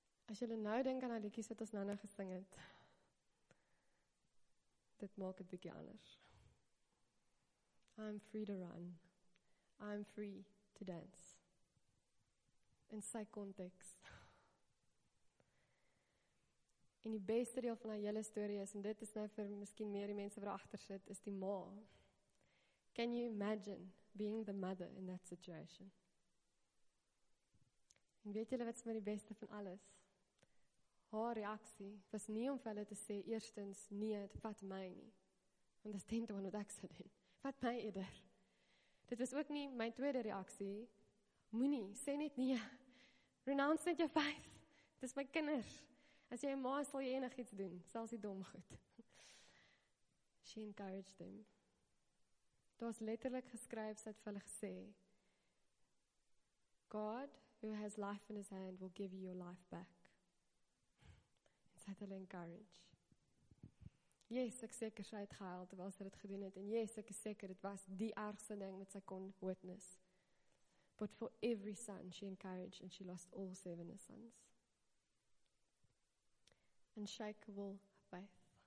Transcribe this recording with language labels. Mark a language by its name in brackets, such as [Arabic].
[Afrikaans] As julle nou dink aan die liedjies wat ons nou gesing het, dit maak het bietjie anders. [English] I'm free to run. I'm free to dance. [Afrikaans] In sy context. En die beste deel van die hele story is, en dit is nou vir miskien meer die mense wat achter sit, is die ma. [English] Can you imagine being the mother in that situation? [Afrikaans] En weet julle wat is maar die beste van alles? Haar reaksie was nie om vir hulle te sê, eerstens, nee, het vat my nie. Want dit is 10-1 wat ek sal doen. Vat my eerder. Dit was ook nie my tweede reaksie. Moenie, sê net nee. Renounce net jou faith. Dit is my kinders. As jy ma, sal jy enig iets doen, selfs die dom goed. [English] She encouraged them. [Afrikaans] Daar is letterlik geskryf, sy het vir hulle gesê, [English] God, who has life in his hand, will give you your life back. [Afrikaans] En sy het hulle encourage. Yes, ek seker sy het gehuild, terwyl sy dit gedoen het, en yes, ek is seker, dit was die ergste ding wat sy kon witness. [English] But for every son, she encouraged, and she lost all 7 her sons. Unshakable faith.